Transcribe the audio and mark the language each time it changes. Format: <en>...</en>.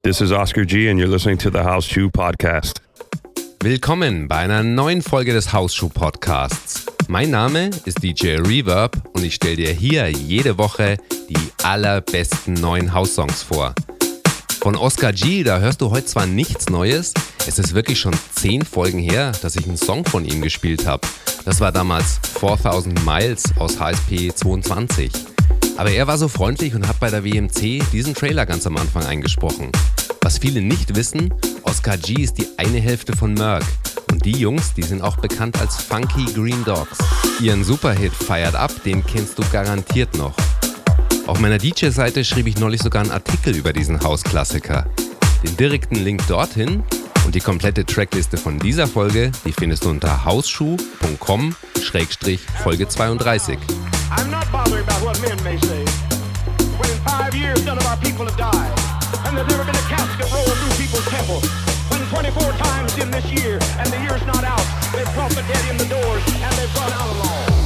<en>This is Oscar G and you're listening to the House Shoe Podcast.</en> <de>Willkommen bei einer neuen Folge des House Shoe Podcasts. Mein Name ist DJ Reverb und ich stelle dir hier jede Woche die allerbesten neuen House Songs vor. Von Oscar G, da hörst du heute zwar nichts Neues, es ist wirklich schon 10 Folgen her, dass ich einen Song von ihm gespielt habe. Das war damals 4000 Miles aus HSP 22. Aber er war so freundlich und hat bei der WMC diesen Trailer ganz am Anfang eingesprochen. Was viele nicht wissen, Oscar G ist die eine Hälfte von Merck. Und die Jungs, die sind auch bekannt als Funky Green Dogs. Ihren Superhit Fired Up, den kennst du garantiert noch. Auf meiner DJ-Seite schrieb ich neulich sogar einen Artikel über diesen House-Klassiker. Den direkten Link dorthin und die komplette Trackliste von dieser Folge, die findest du unter hausschuh.com/Folge 32.</de> <en>I'm not bothering about what men may say. When in 5 years none of our people have died, and there's never been a casket rolled through people's temple. When 24 times in this year, and the year's not out, they've caught the dead in the doors, and they've gone out alone.</en>